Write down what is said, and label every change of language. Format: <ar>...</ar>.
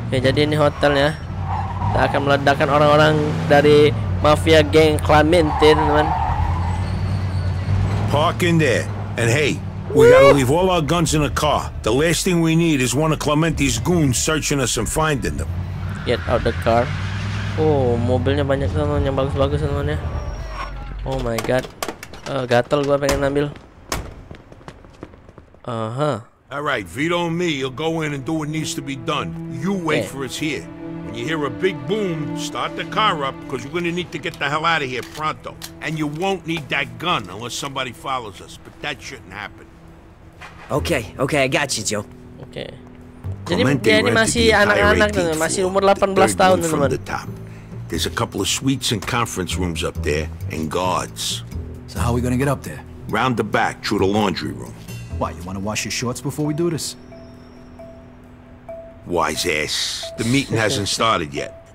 <id>Oke, jadi ini hotelnya. Kita akan meledakkan orang-orang dari mafia geng Clemente, teman.</id> <en>Park in there. And hey, we gotta leave all our guns in the car. The last thing we need is one of Clemente's goons searching us and finding them. Get out the car.</en> <id>Oh, mobilnya banyak teman yang bagus-bagus teman ya.</id> <en>Oh my god.</en> <id>Gatel gua pengen ambil. Aha.</id> <en>All right, Vito and me, you'll go in and do what needs to be done. You wait for us here. When you hear a big boom, start the car up, because we're going to need to get the hell out of here pronto. And you won't need that gun unless somebody follows us, but that shouldn't happen. Okay, okay, I got you, Joe. Okay.</en> <id>Jadi Clemente dia ini masih anak-anak, masih umur 18 tahun, teman-teman.</id> <en>There's a couple of suites and conference rooms up there, and guards. So how are we going to get up there? Round the back, through the laundry room. Why, you want to wash your shorts before we do this? Wise ass. The meeting hasn't started yet.</en>